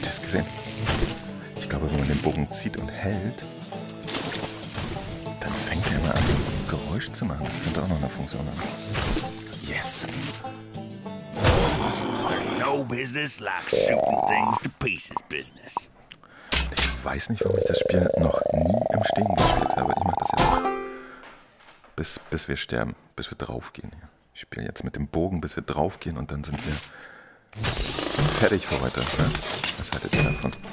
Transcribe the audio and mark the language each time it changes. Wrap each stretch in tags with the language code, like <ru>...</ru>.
<de>Sehen. Ich glaube, wenn man den Bogen zieht und hält, dann fängt er immer an, Geräusch zu machen. Das könnte auch noch eine Funktion haben.</de> <en>Yes. No business like shooting things to pieces business.</en> <de>Ich weiß nicht, warum ich das Spiel noch nie im Stehen gespielt habe. Ich mache das jetzt noch. Bis wir sterben, bis wir draufgehen. Ich spiele jetzt mit dem Bogen, bis wir draufgehen und dann sind wir fertig für heute. Ne? Was haltet ihr davon?</de>